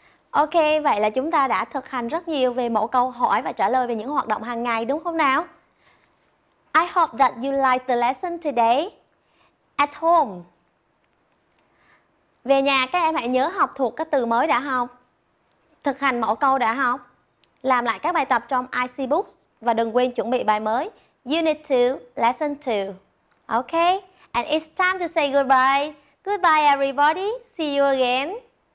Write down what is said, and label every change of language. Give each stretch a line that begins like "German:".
Vietnamese: Ok, vậy là chúng ta đã thực hành rất nhiều về mẫu câu hỏi và trả lời về những hoạt động hàng ngày, đúng không nào?
English: I hope that you like the lesson today. At home.
Vietnamese: Về nhà, các em hãy nhớ học thuộc các từ mới đã học, thực hành mẫu câu đã học, làm lại các bài tập trong IC Books và đừng quên chuẩn bị bài mới.
English: Unit 2, Lesson 2. Ok, and it's time to say goodbye. Goodbye everybody. See you again.